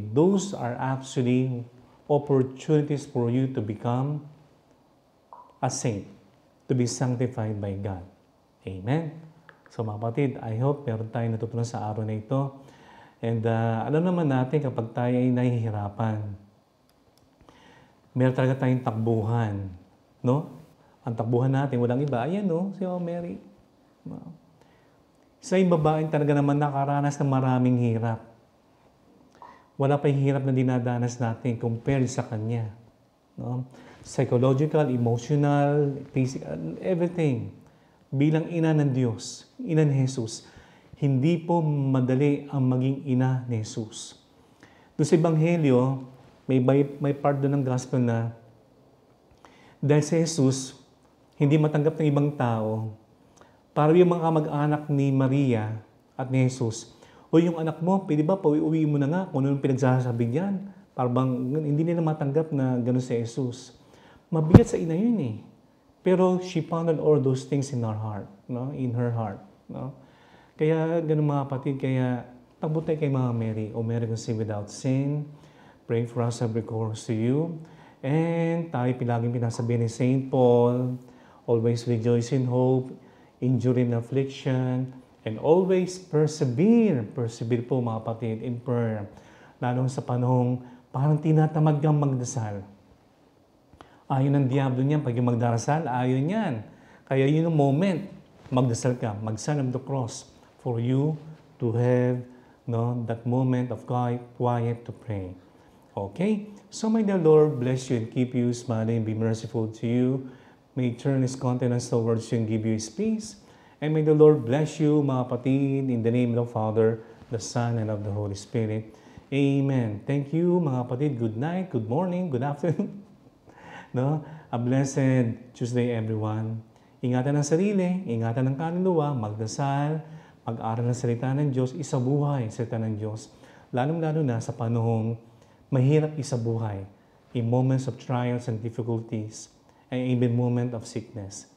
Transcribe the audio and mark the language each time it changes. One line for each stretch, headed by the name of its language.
English: Those are actually opportunities for you to become a saint, to be sanctified by God. Amen?
Filipino: So mga kapatid,
English: I hope
Filipino: meron tayong natutunan sa araw na ito. And alam naman natin kapag tayo ay nahihirapan, meron talaga tayong takbuhan, no? Ang takbuhan natin, walang iba, ayan, no? Si Mary. Sa yung babaeng talaga naman nakaranas ng maraming hirap. Wala pa yung hirap na dinadanas natin compared sa kanya, no?
English: Psychological, emotional, physical, everything.
Filipino: Bilang ina ng Diyos, ina ni Jesus, hindi po madali ang maging ina ni Jesus. Doon sa Ebanghelyo, may part doon ng gospel na dahil si Jesus, hindi matanggap ng ibang tao, para yung mga mag-anak ni Maria at ni Jesus, o yung anak mo, pwede ba pauwi-uwi mo na nga kung ano yung pinagsasabi niyan? Para bang hindi nila matanggap na gano'n si Jesus. Mabigat sa ina yun eh.
English: Pero she pondered all those things in her heart, no? In her heart, no?
Filipino: Kaya ganun mga kapatid, kaya tagbutay kay Mama Mary,
English: O Mary conceived without sin, pray for us every course to you. And
Filipino: tayo pilaging pinasabi ni Saint Paul,
English: always rejoice in hope, endure in affliction, and always persevere.
Filipino: Persevere po mga kapatid
English: in prayer.
Filipino: Lalo sa panahong parang tinatamad kang magdasal. Ayon ng Diablo niyan, pag yung magdarasal, ayon niyan. Kaya yun yung moment, magdasal ka,
English: mag-sign of the cross for you to have, no, that moment of quiet to pray. Okay? So may the Lord bless you and keep you smiling and be merciful to you. May He turn His countenance towards you and give you His peace. And may the Lord bless you, mga kapatid, in the name of the Father, the Son, and of the Holy Spirit. Amen. Thank you, mga kapatid. Good night, good morning, good afternoon. No? A blessed Tuesday, everyone.
Filipino: Ingatan ang sarili, ingatan ang kaluluwa, magdasal, mag-aral ng salita ng Diyos, isabuhay ang salita ng Diyos. Lalong-lalo na sa panahong mahirap isabuhay
English: in moments of trials and difficulties and even moment of sickness.